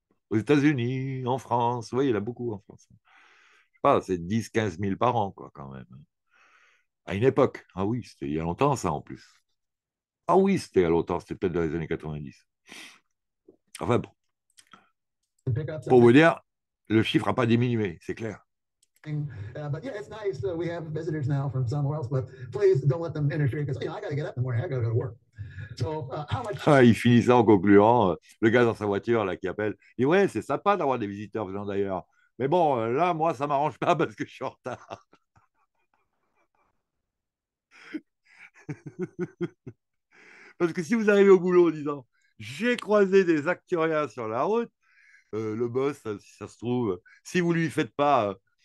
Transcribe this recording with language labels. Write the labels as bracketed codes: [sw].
[fr] Aux États-Unis, en France, oui, il y en a beaucoup en France. Je ne sais pas, c'est 10-15 000 par an, quoi, quand même. À une époque. Ah oui, c'était il y a longtemps, ça, en plus. Ah oui, c'était à longtemps, c'était peut-être dans les années 90. Enfin, bon. Pour vous dire, le chiffre n'a pas diminué, c'est clair. [en] But yeah, it's nice. We have visitors now from somewhere else, but please don't let them interfere because, you know, I got to get up in the morning. I got to go to work. So, how much? [fr] Ah, il finit ça en concluant. Le gars dans sa voiture là qui appelle. Il dit, ouais, c'est sympa d'avoir des visiteurs venant d'ailleurs. Mais bon, là, moi, ça m'arrange pas parce que je suis en retard. Parce que si vous arrivez au boulot en disant, j'ai croisé des actuariens sur la route, le boss, si ça se trouve, si vous lui faites pas.